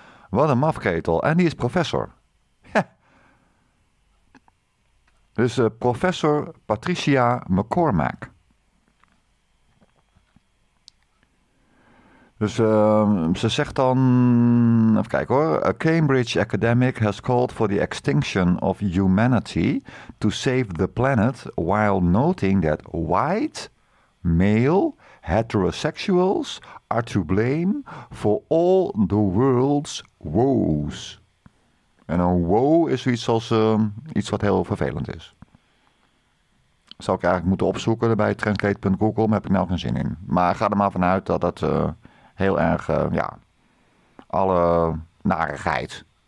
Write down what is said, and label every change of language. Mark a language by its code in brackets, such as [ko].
[nl] Wat een mafketel. En die is professor. Ja. Dus professor Patricia McCormack. Dus ze zegt dan, even kijken hoor. [en] A Cambridge academic has called for the extinction of humanity to save the planet while noting that white, male, heterosexuals are to blame for all the world's woes. [nl] En een woe is zoiets als iets wat heel vervelend is. Zou ik eigenlijk moeten opzoeken bij translate.google, maar heb ik nou geen zin in. Maar ga er maar vanuit dat dat heel erg, alle narigheid.